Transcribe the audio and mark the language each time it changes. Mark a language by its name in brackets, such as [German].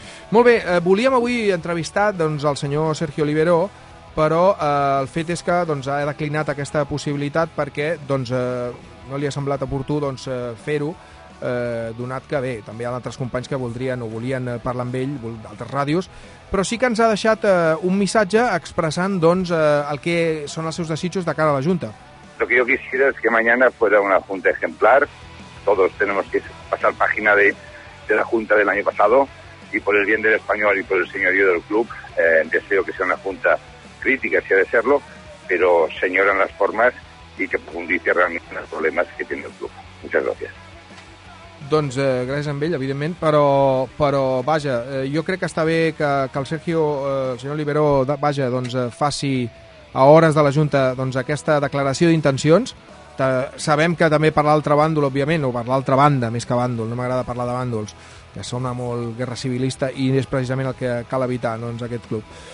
[Catalan] Molt bé, volíem avui entrevistar doncs, el senyor Sergio Oliveró, però el fet és que doncs, ha declinat aquesta possibilitat perquè doncs, no li ha semblat oportú doncs, fer-ho. Donat que bé, també hi ha altres companys que voldrien o volien parlar amb ell d'altres ràdios, però sí que ens ha deixat un missatge expressant doncs, el que són els seus desitjos de cara a la Junta. [Spanish] Lo que yo quisiera es que mañana fuera una Junta ejemplar. Todos tenemos que pasar página de la Junta del año pasado y por el bien del Español y por el señorío del club, deseo que sea una Junta crítica, si ha de serlo, pero señora en las formas y que profundice realmente en los problemas que tiene el club. Muchas gracias. [Catalan] Doncs gràcies a ell, evidentment, però vaja, jo crec que està bé que el Sergio, el senyor Oliveró, vaja, doncs faci a hores de la Junta doncs, aquesta declaració d'intencions. Sabem que també per l'altre bàndol, òbviament, o per l'altra banda, més que bàndol, no m'agrada parlar de bàndols, que sona molt guerra civilista i és precisament el que cal evitar doncs, aquest club.